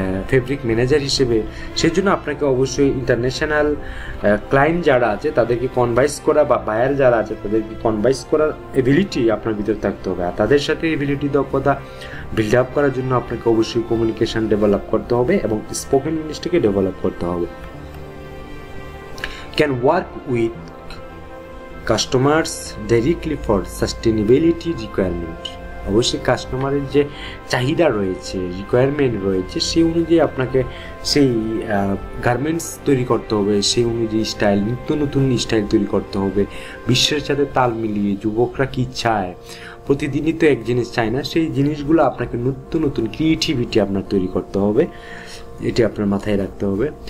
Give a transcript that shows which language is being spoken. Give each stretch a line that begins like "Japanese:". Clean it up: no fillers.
Bangla: Fabric manager হিসেবে, সেই জন্য আপনাকে অবশ্যই ইন্টারন্যাশনাল ক্লায়েন্ট যারা আছে তাদেরকে কনভাইস করা বা বায়ার যারা আছে তাদেরকে কনভাইস করার এবিলিটি আপনার ভিতরে থাকতে হবে, আর তাদের সাথে এবিলিটি দক্ষতা বিল্ড আপ করার জন্য আপনাকে অবশ্যই কমিউনিকেশন ডেভেলপ করতে হবে এবং স্পোকেন ইংলিশটাকে ডেভেলপ করতে হবে।
English: Can work with customers directly for sustainability requirement.
Bangla: অবশ্যই কাস্টমারের যে চাহিদা রয়েছে, রিকোয়ারমেন্ট রয়েছে, সেই অনুযায়ী আপনাকে সেই গার্মেন্টস তৈরি করতে হবে, সেই অনুযায়ী স্টাইল, নিত্য নতুন স্টাইল তৈরি করতে হবে বিশ্বের সাথে তাল মিলিয়ে। যুবকরা কী চায়, প্রতিদিনই তো এক জিনিস চায় না, সেই জিনিসগুলো আপনাকে নতুন নতুন ক্রিয়েটিভিটি আপনার তৈরি করতে হবে, এটি আপনার মাথায় রাখতে হবে।